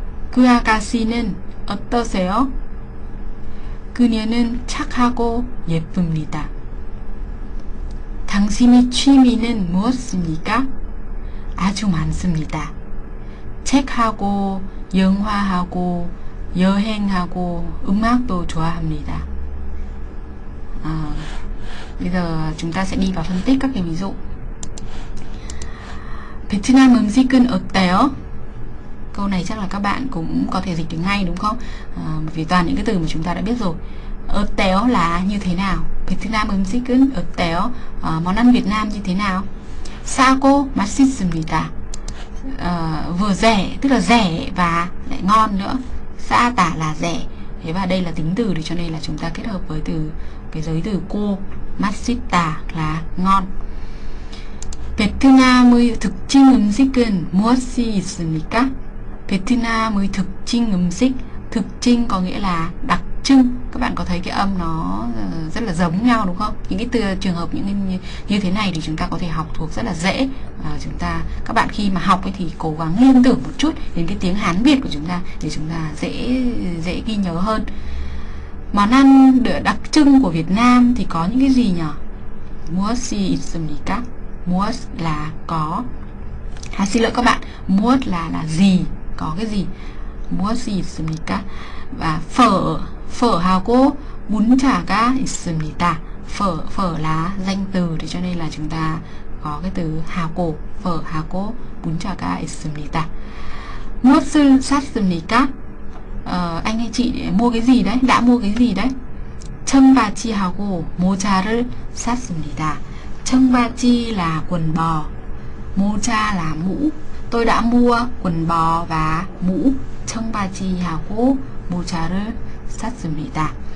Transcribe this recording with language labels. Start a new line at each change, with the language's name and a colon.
Korean: 그 아가씨는 어떠세요? 그녀는 착하고 예쁩니다. 당신의 취미는 무엇입니까? 아주 많습니다. 책하고 영화하고 여행하고 음악도 좋아합니다.
Vietnamese: 아, bây giờ chúng ta sẽ đi vào phân tích các cái ví dụ.
Korean: 베트남 음식은 어때요?
Vietnamese: Câu này chắc là các bạn cũng có thể dịch được ngay đúng không? À, vì toàn những cái từ mà chúng ta đã biết rồi. 어때요 là như thế nào?
Korean: 베트남 음식은 어때요?
Vietnamese: Món ăn Việt Nam như thế nào?
Korean: 싸고 맛있습니다.
Vietnamese: Vừa rẻ, tức là rẻ và lại ngon nữa. 싸 tả là rẻ. Thế và đây là tính từ thì cho nên là chúng ta kết hợp với từ cái giới từ 고 맛있다 là ngon.
Korean: 베트남의 특징 음식은 무엇이 있습니까?
Vietnamese: 베트남의 특징 음식, 특징 có nghĩa là đặc trưng. Các bạn có thấy cái âm nó rất là giống nhau đúng không? Những cái từ trường hợp những như thế này thì chúng ta có thể học thuộc rất là dễ. À, chúng ta các bạn khi mà học ấy thì cố gắng liên tưởng một chút đến cái tiếng Hán Việt của chúng ta để chúng ta dễ ghi nhớ hơn. Món ăn đặc trưng của Việt Nam thì có những cái gì nhỉ?
Korean: 무엇이 있습니까? 무엇
Vietnamese: là có. À, xin lỗi các bạn, 무엇 là gì? Có cái gì?
Korean: 무엇이 있습니까? Và phở 하고 문자가 있습니다.
Vietnamese: Phở là danh từ thì cho nên là chúng ta có cái từ 하고, phở
Korean: 하고 문자가 있습니다. 무엇을 샀습니까?
Vietnamese: Anh hay chị mua cái gì đấy? Đã mua cái gì đấy?
Korean: 청바지하고 모자를 샀습니다.
Vietnamese: 청바지 là quần bò, 모자 là mũ. Tôi đã mua quần bò và mũ.
Korean: 청바지하고 모자를 샀습니다.